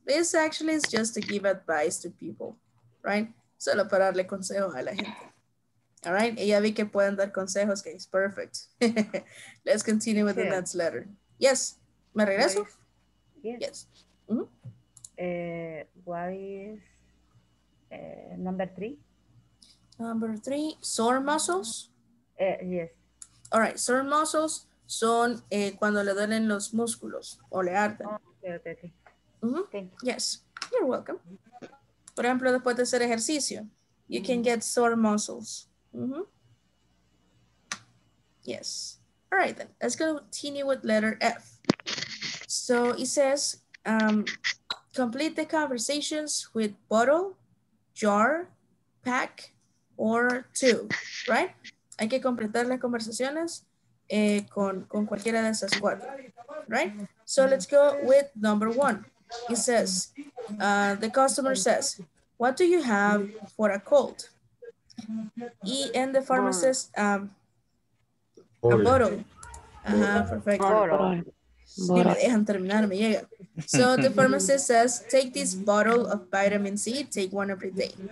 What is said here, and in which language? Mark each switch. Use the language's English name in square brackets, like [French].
[English] This actually is just to give advice to people, right? [Spanish] Solo para darle consejos a la gente. All right, y ya vi que pueden dar consejos, que es perfect. [English] Let's continue with the next letter. Yes, [Spanish] ¿me regreso? [English] Yes. Yes. Mm-hmm. What is number three? Number three, sore muscles? Yes. All right, [Spanish] sore muscles son cuando le duelen los músculos o le arden. [English] Okay, okay, okay. Mm-hmm. Thank you. Yes, you're welcome. [Spanish] Por ejemplo, después de hacer ejercicio, [English] you can get sore muscles. Mm-hmm. Yes. All right, then. Let's continue with letter F. So it says, complete the conversations with bottle, jar, pack, or tube, right? [Spanish] Hay que completar las conversaciones con cualquiera de esas cuatro, right? [English] So let's go with number one. It says, the customer says, what do you have for a cold? E and the pharmacist, a bottle. Uh-huh, perfect. So the pharmacist says, take this bottle of vitamin C, take one every day.